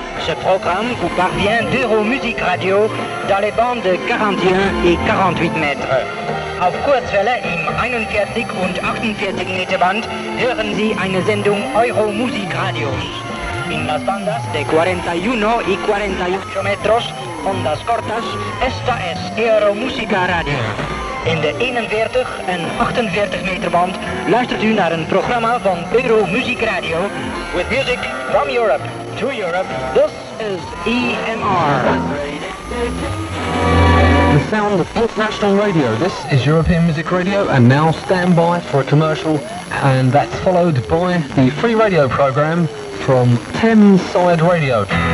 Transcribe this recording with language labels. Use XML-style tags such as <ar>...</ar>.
<fr>Ce programme vous parvient d'Euro Music Radio dans les bandes de 41 et 48 mètres.</fr> <de>Auf Kurzwelle im 41 und 48 meter band hören Sie eine Sendung Euro Music Radio.</de> <es>In las bandas de 41 y 48 metros, ondas cortas, esta es Euro Music Radio.</es> <nl>In de 41 en 48 meter band luistert u naar een programma van Euro Music Radio.</nl> <en>With music from Europe to Europe, this is EMR. The sound of international radio. This is European Music Radio and now stand by for a commercial. And that's followed by the free radio program from Thameside Radio.</en>